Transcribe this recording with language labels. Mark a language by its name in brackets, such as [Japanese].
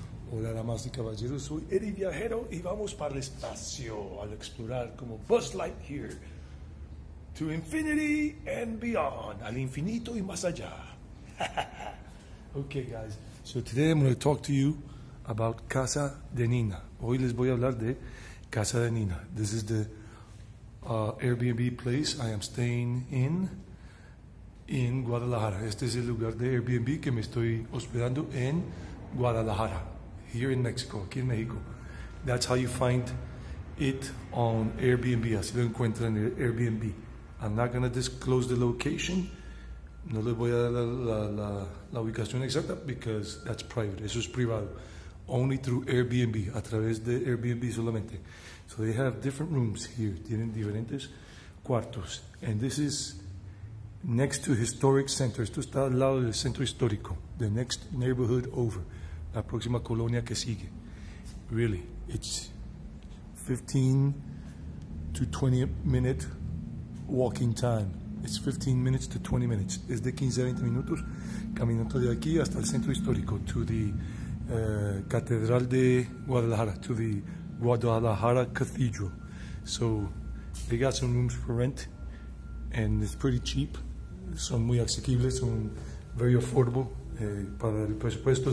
[Spanish] Hola, damas y caballeros. Soy Eddie Viajero, y vamos para el espacio al explorar como Buzz Lightyear [English] to infinity and beyond, [Spanish] al infinito y más allá. Okay, guys. [English] So today I'm going to talk to you about Casa de Nina. [Spanish] Hoy les voy a hablar de Casa de Nina. [English] This is the Airbnb place I am staying in. [Spanish] En Guadalajara. Este es el lugar de Airbnb que me estoy hospedando en Guadalajara. [English] Here in Mexico, [Spanish] aquí en México. [English] That's how you find it on Airbnb. [Spanish] Así lo encuentran en Airbnb. [English] I'm not going to disclose the location. [Spanish] No le voy a dar la ubicación exacta [English] because that's private. [Spanish] Eso es privado. [English] Only through Airbnb. [Spanish] A través de Airbnb solamente. [English] So they have different rooms here. [Spanish] Tienen diferentes cuartos. [English] And this is next to historic center. [Spanish] Esto está al lado del centro histórico. [English] The next neighborhood over. [Spanish] La próxima colonia que sigue. [English] Really, it's 15 to 20 minute walking time. It's 15 minutes to 20 minutes. [Spanish] Es de 15 a 20 minutos caminando de aquí hasta el centro histórico, to the Catedral de Guadalajara, [English] to the Guadalajara Cathedral. So they got some rooms for rent and it's pretty cheap. [Spanish] Son muy asequibles, son [English] very affordable [Spanish] para el presupuesto.